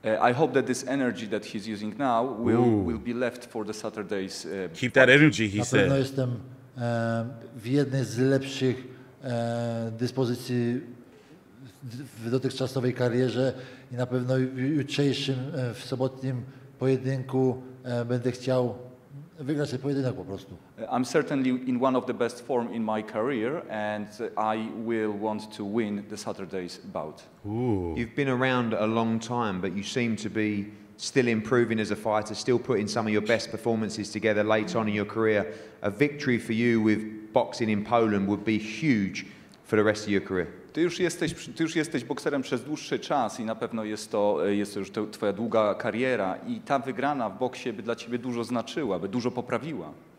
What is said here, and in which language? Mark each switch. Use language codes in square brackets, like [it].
[en] I hope that this energy that he's using now will be left for the Saturday's keep that energy, he said. [pl] Na pewno jestem w jednej z lepszych dyspozycji w dotychczasowej karierze i na pewno jutrzejszym w sobotnim pojedynku będę chciał wygrać ten pojedynek po prostu. [en] I'm certainly in one of the best form in my career and I will want to win the Saturday's bout. Ooh. You've been around a long time, but you seem to be still improving as a fighter, still putting some of your best performances together late on in your career. A victory for you with boxing in Poland would be huge for the rest of your career. [pl] Ty już jesteś bokserem przez dłuższy czas i na pewno jest to już twoja długa kariera i ta wygrana w boksie by dla ciebie dużo znaczyła, by dużo poprawiła.